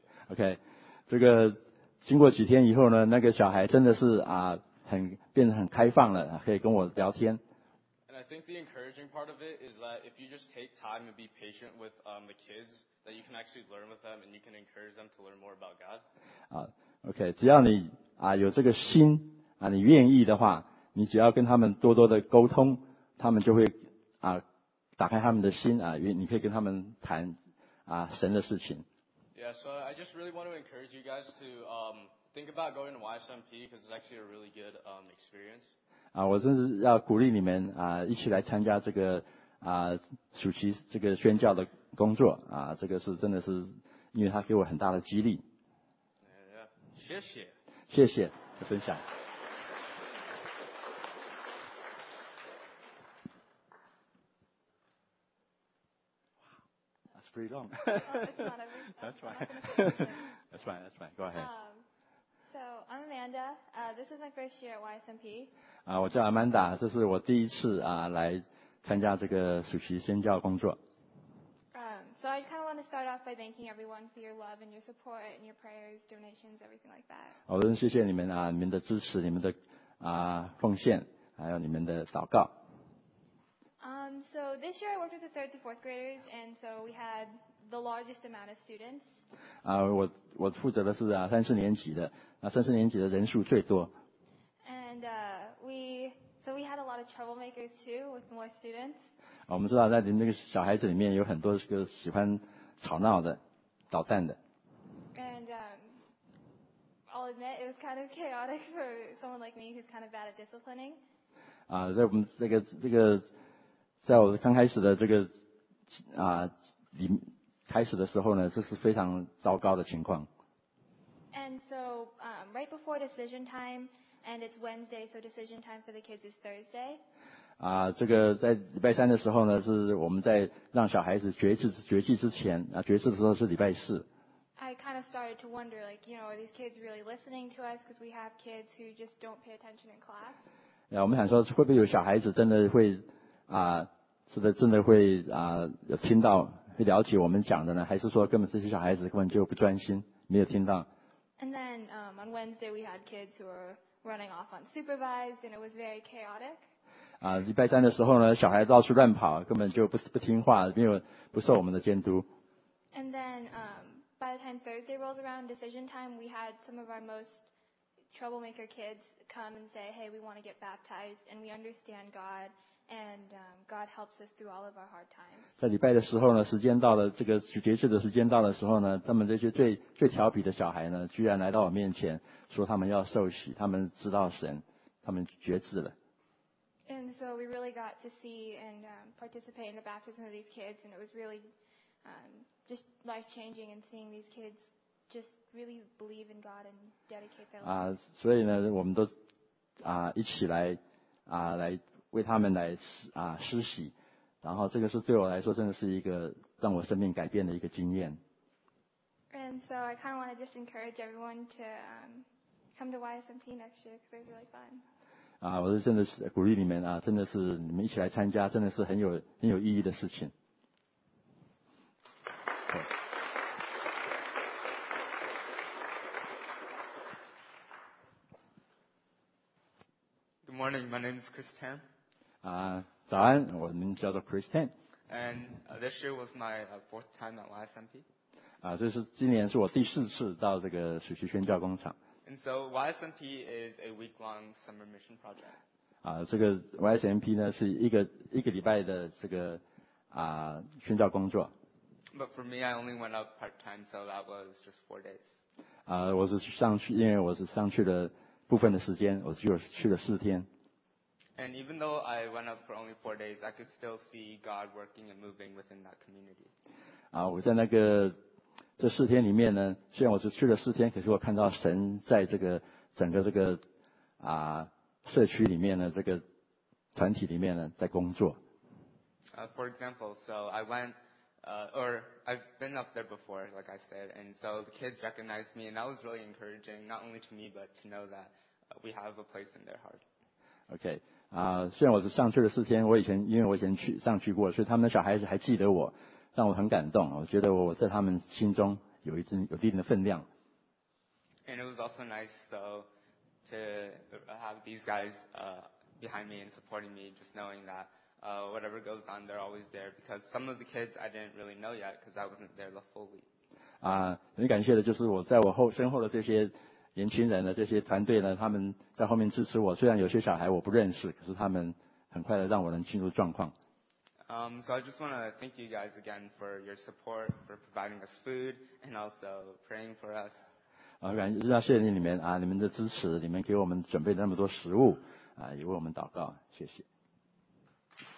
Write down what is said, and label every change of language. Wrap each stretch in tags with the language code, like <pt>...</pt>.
<en>Okay,</en> <zh>这个经过几天以后呢，那个小孩真的是啊，变得很开放了，可以跟我聊天。</zh> <en>And I think the encouraging part of it is that if you just take time and be patient with the kids, that you can actually learn with them and you can encourage them to learn more about God. Okay,</en> <zh>只要你啊有这个心啊，你愿意的话，你只要跟他们多多的沟通。他们就会啊，打开他们的心啊，你可以跟他们谈啊神的事情。</zh> <en>Yeah, so I just really want to encourage you guys to think about going to YSMP because it's actually a really good experience.</en> <zh>啊，我真是要鼓励你们啊，一起来参加这个啊暑期这个宣教的工作啊，这个是真的是因为他给我很大的激励。</zh> <en>Yeah, yeah.</en> <zh>谢谢，谢谢的分享。</zh> <en>Pretty long. That's fine. Go ahead. So I'm Amanda. This is my first year at YSMP.</en> <zh>我叫 Amanda， 这是我第一次啊来参加这个暑期宣教工作。</zh> <en>So I kind of want to start off by thanking everyone for your love and your support and your prayers, donations, everything like that.</en> <zh>我真谢谢你们啊，你们的支持，你们的啊奉献，还有你们的祷告。</zh> <en>So this year I worked with the third to fourth graders, and so we had the largest amount of students.</en> <zh>我负责的是啊三四年级的，那三四年级的人数最多。</zh> <en>And we had a lot of troublemakers too with more students.</en> <zh>我们知道在那个小孩子里面有很多是个喜欢吵闹的、捣蛋的。</zh> <en>And I'll admit it was kind of chaotic for someone like me who's kind of bad at disciplining.</en> <zh>在我们这个。在我刚开始的这个啊，开始的时候呢，这是非常糟糕的情况。</zh> <en>And so, right before decision time, and it's Wednesday, so decision time for the kids is Thursday.</en> <zh>这个在礼拜三的时候呢，是我们在让小孩子决志之前啊，决志的时候是礼拜四。</zh> <en>I kind of started to wonder, like, you know, are these kids really listening to us? Because we have kids who just don't pay attention in class.</en> <zh>我们想说，会不会有小孩子真的会？是的，真的会有听到，会了解我们讲的呢？还是说根本这些小孩子根本就不专心，没有听到</zh> <en>？And then on Wednesday we had kids who were running off unsupervised and it was very chaotic.</en> <zh>礼拜三的时候呢，小孩到处乱跑，根本就不听话，不受我们的监督。</zh> <en>And then by the time Thursday rolls around decision time, we had some of our most troublemaker kids come and say, "Hey, we want to get baptized and we understand God." And God helps us through all of our hard times.</en> <zh>在礼拜的时候呢，时间到了，这个决志的时间到的时候呢，他们这些最调皮的小孩呢，居然来到我面前，说他们要受洗，他们知道神，他们决志了。</zh> <en>And so we really got to see and participate in the baptism of these kids, and it was really just life changing and seeing these kids just really believe in God and dedicate their lives.</en> <zh>所以呢，我们都一起来来。为他们来施洗，然后这个是对我来说真的是一个让我生命改变的一个经验。</zh> <en>And so I kind of want to just encourage everyone to come to YSMP next year because it's really fun.</en> <zh>我是真的是鼓励你们啊，真的是你们一起来参加，真的是很有意义的事情。</zh> <en>Good morning, my name is Chris Tan.</en> <zh>早安，我名字叫做 Chris Tan。</zh> <en>And this year was my fourth time at YSMP.</en> <zh>这是今年是我第四次到这个暑期宣教工厂。</zh> <en>And so YSMP is a week-long summer mission project.</en> <zh>这个 YSMP 呢是一个礼拜的这个宣教工作。</zh> <en>But for me, I only went up part-time, so that was just 4 days.</en> <zh>我是上去，因为我是上去了部分的时间，我只有去了四天。</zh> <en>And even though I went up for only 4 days, I could still see God working and moving within that community.</en> <zh>啊，我在那个这四天里面呢，虽然我是去了四天，可是我看到神在这个整个这个啊社区里面呢，这个团体里面呢，在工作。</zh> <en>For example, so I went, or I've been up there before, like I said, and so the kids recognized me, and that was really encouraging, not only to me, but to know that we have a place in their heart. Okay.</en> <zh>啊，虽然我是上去了四天，我以前因为我以前去上去过，所以他们的小孩子还记得我。让我很感动，我觉得我在他们心中有一定有一定的分量。</zh> <en>And it was also nice, so to have these guys behind me and supporting me, just knowing that whatever goes on, they're always there. Because some of the kids I didn't really know yet, because I wasn't there the full week.</en> <zh>啊，很感谢的就是我在我后身后的这些年轻人的这些团队呢，他们在后面支持我。虽然有些小孩我不认识，可是他们很快的让我能进入状况。</zh> <en>So I just want to thank you guys again for your support, for providing us food, and also praying for us.</en> <zh>啊，感谢，谢谢你们啊，你们的支持，你们给我们准备那么多食物啊，也为我们祷告，谢谢。</zh>